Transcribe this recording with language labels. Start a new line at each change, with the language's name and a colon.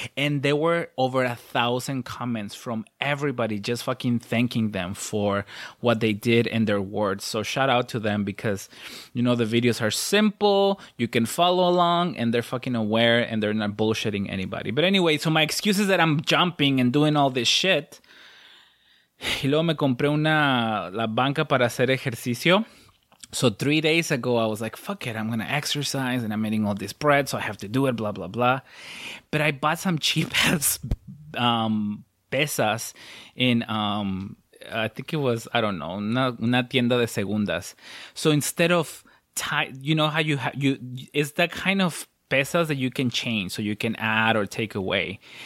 English: And there were over 1,000 comments from everybody just fucking thanking them for what they did and their words. So shout out to them, because you know the videos are simple, you can follow along, and they're fucking aware and they're not bullshitting anybody. But anyway, so my excuse is that I'm jumping and doing all this shit.
Spanish: Y luego me compré la banca para hacer ejercicio.
English: So 3 days ago, I was like, fuck it, I'm going to exercise and I'm eating all this bread, so I have to do it, blah, blah, blah. But I bought some cheap-ass pesas in, I think it was, I don't know,
Spanish: una tienda de segundas.
English: So instead of, you know how you it's that kind of pesas that you can change, so you can add or take away.